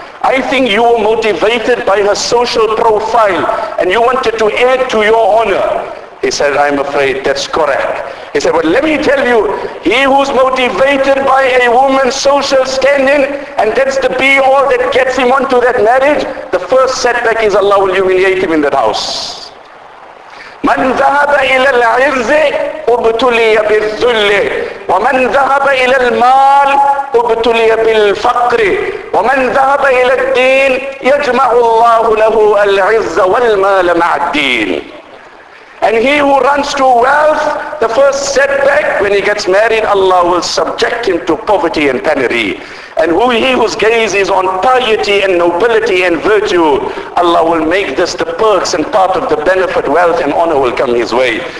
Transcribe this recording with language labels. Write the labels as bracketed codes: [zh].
[en] I think you were motivated by her social profile and you wanted to add to your honor. He said, I'm afraid that's correct. He said, but let me tell you, he who's motivated by a woman's social standing and that's the be all that gets him onto that marriage, the first setback is Allah will humiliate him in that house. [ar] من ذهب إلى العرض أبتلي بالذل ومن ذهب إلى المال أبتلي بالفقر ومن ذهب إلى الدين يجمع الله له العز والمال مع الدين. [en] And he who runs to wealth, the first setback when he gets married, Allah will subject him to poverty and penury. And who he whose gaze is on piety and nobility and virtue, Allah will make this the perks and part of the benefit, wealth and honor will come his way.